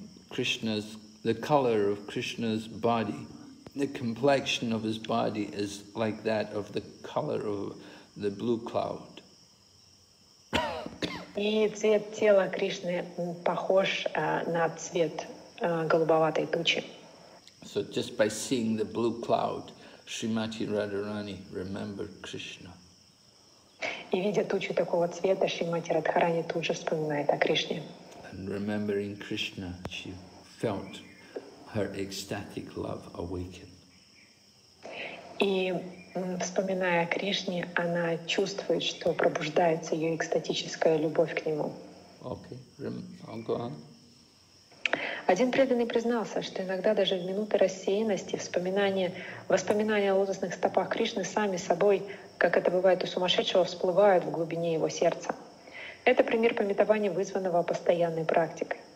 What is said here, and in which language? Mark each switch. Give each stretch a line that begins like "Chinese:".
English: Krishna's, the color of Krishna's body, the complexion of his body is like that of the color of the blue cloud.
Russian: И цвет тела Кришны похож на цвет голубоватой тучи.
English: So just by seeing the blue cloud, Srimati Radharani remembered Krishna.
Russian: И видя тучу такого цвета, Шримати Радхарани тут же вспоминает о Кришне.
English: And remembering Krishna, she felt her ecstatic love awaken.
Russian: И вспоминая о Кришне, она чувствует, что пробуждается ее экстатическая любовь к нему.
English: Okay, I'll go on.
Russian: Один преданный признался, что иногда даже в минуты рассеянности воспоминания о лотосных стопах Кришны сами собой, как это бывает у сумасшедшего, всплывают в глубине его сердца. Это пример памятования, вызванного постоянной практикой.